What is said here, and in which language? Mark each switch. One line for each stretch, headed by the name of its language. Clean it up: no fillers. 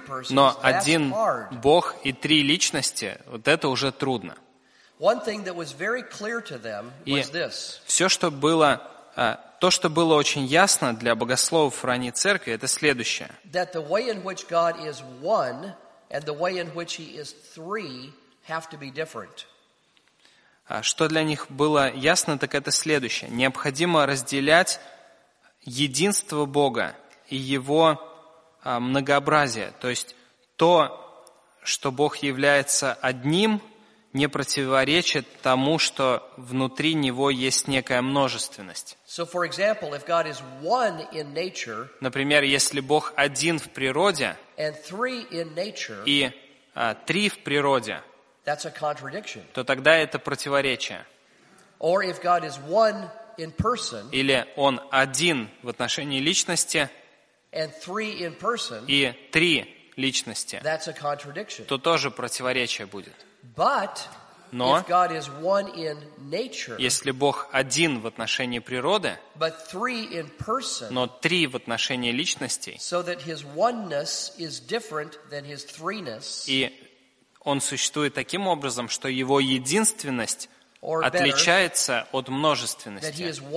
Russian: Но один Бог и три личности, вот это уже трудно. И все, что было, то, что было очень ясно для богословов ранней церкви, это следующее.
English: That the way in which God is one and the way in which he is three have to be different.
Russian: Что для них было ясно, так это следующее. Необходимо разделять единство Бога и его многообразие. То есть то, что Бог является одним, не противоречит тому, что внутри Него есть некая множественность.
English: So, for example, if God is one in nature,
Russian: например, если Бог один в природе
English: and three in nature,
Russian: и три в природе,
English: that's a contradiction.
Russian: То тогда это противоречие.
English: Or if God is one in person,
Russian: или Он один в отношении личности
English: and three in person,
Russian: и три личности,
English: that's a contradiction.
Russian: То тоже противоречие будет.
English: But
Russian: но
English: if God is one in nature,
Russian: если Бог один в отношении природы,
English: but three in person,
Russian: но три в отношении личностей,
English: so that his oneness is different than his threeness,
Russian: и Он существует таким образом, что Его единственность отличается от множественности.